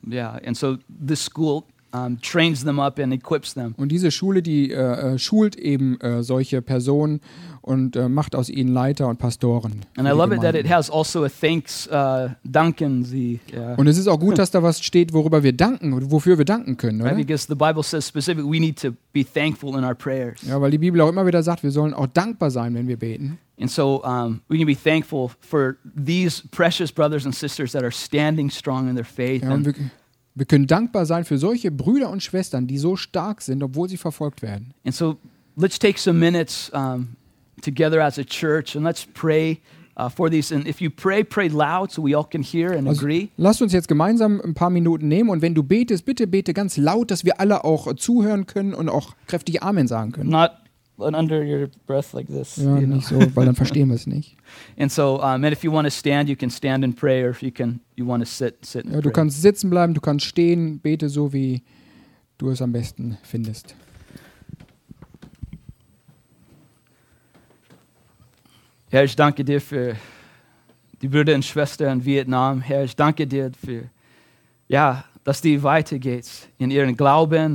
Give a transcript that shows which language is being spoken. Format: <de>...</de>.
<en>Yeah, and so this school trains them up and equips them.</en> <de>Und diese Schule, die schult eben solche Personen und macht aus ihnen Leiter und Pastoren.</de> <en>And I love it that it has also a thanks</en> <de>danken sie. Und es ist auch gut, dass da was steht, worüber wir danken und wofür wir danken können, oder?</de> <en>Because the Bible says specifically we need to be thankful in our prayers.</en> <de>Ja, weil die Bibel auch immer wieder sagt, wir sollen auch dankbar sein, wenn wir beten.</de> <en>And so we can be thankful for these precious brothers and sisters that are standing strong in their faith.</en> <de>Ja, wir können dankbar sein für solche Brüder und Schwestern, die so stark sind, obwohl sie verfolgt werden.</de> <en>And so let's take some minutes together as a church and let's pray for these. And if you pray loud so we all can hear and agree.</en> <de>Also, lasst uns jetzt gemeinsam ein paar Minuten nehmen und wenn du betest, bitte bete ganz laut, dass wir alle auch zuhören können und auch kräftig Amen sagen können.</de> <en>Not under your breath like this.</en> <de>Ja, nicht so, weil dann verstehen wir es nicht.</de> <en>And so and if you want to stand, you can stand and pray, or if you want to sit and pray.</en> <de>Du kannst sitzen bleiben, du kannst stehen, bete so wie du es am besten findest. Herr, ich danke dir für die Brüder und Schwestern in Vietnam. Herr, ich danke dir für, ja, dass die weitergeht in ihren Glauben.</de>